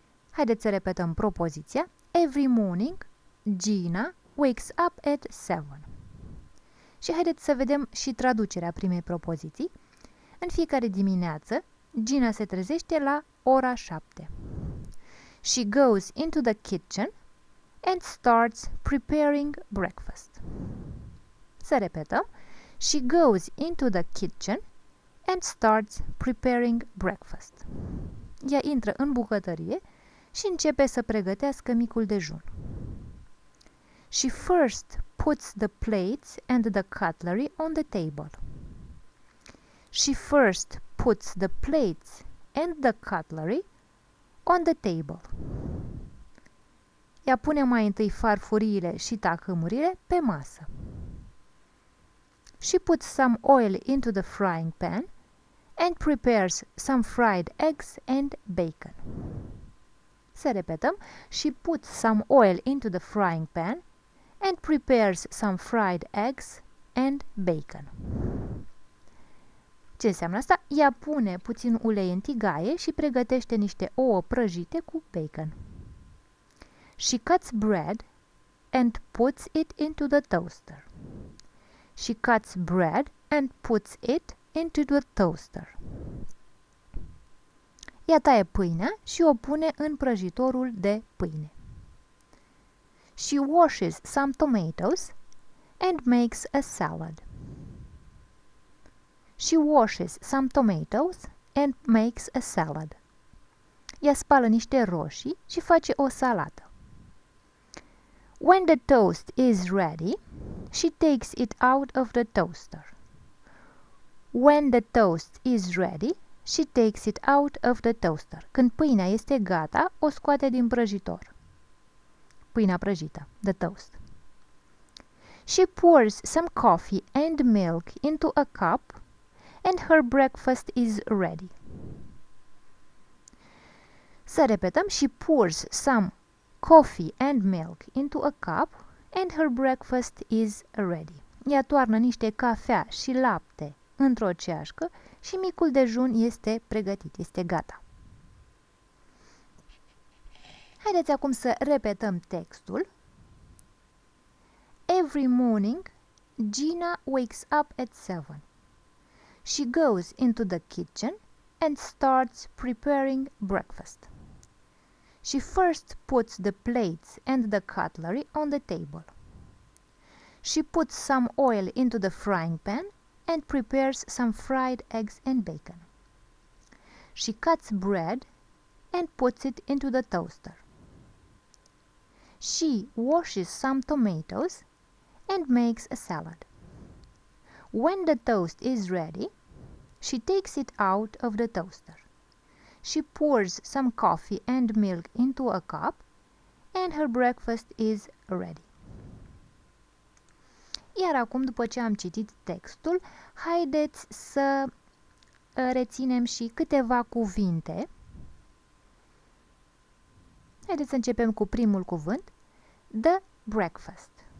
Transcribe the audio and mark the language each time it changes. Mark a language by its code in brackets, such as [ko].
[ro] Haideți să repetăm propoziția. [en] Every morning, Gina wakes up at 7. [ro] Și haideți să vedem și traducerea primei propoziții. În fiecare dimineață, Gina se trezește la ora 7. [en] She goes into the kitchen and starts preparing breakfast. [ro] Să repetăm. [en] She goes into the kitchen and starts preparing breakfast. [ro] Ea intră în bucătărie și începe să pregătească micul dejun. [en] She first puts the plates and the cutlery on the table. She first puts the plates and the cutlery on the table. [ro] Ea pune mai întâi farfuriile și tacâmurile pe masă. [en] She puts some oil into the frying pan and prepares some fried eggs and bacon. [ro] Să repetăm. [en] She puts some oil into the frying pan and prepares some fried eggs and bacon. [ro] Ce înseamnă asta? Ea pune puțin ulei în tigaie și pregătește niște ouă prăjite cu bacon. [en] She cuts bread and puts it into the toaster. She cuts bread and puts it into the toaster. [ro] Ea taie pâinea și o pune în prăjitorul de pâine. [en] She washes some tomatoes and makes a salad. She washes some tomatoes and makes a salad. [ro] Ea spală niște roșii și face o salată. [en] When the toast is ready, she takes it out of the toaster. When the toast is ready, she takes it out of the toaster. [ro] Când pâinea este gata, o scoate din prăjitor. Pâinea prăjită, the toast. [en] She pours some coffee and milk into a cup and her breakfast is ready. [ro] Să repetăm, [en] she pours some coffee and milk into a cup and her breakfast is ready. [ro] Ea toarnă niște cafea și lapte într-o ceașcă și micul dejun este pregătit, este gata. Haideți acum să repetăm textul. [en] Every morning, Gina wakes up at 7. She goes into the kitchen and starts preparing breakfast. She first puts the plates and the cutlery on the table. She puts some oil into the frying pan and prepares some fried eggs and bacon. She cuts bread and puts it into the toaster. She washes some tomatoes and makes a salad. When the toast is ready, she takes it out of the toaster. She pours some coffee and milk into a cup, and her breakfast is ready. [ro] Iar acum, după ce am citit textul, haideți să reținem și câteva cuvinte. Haideți să începem cu primul cuvânt. The breakfast.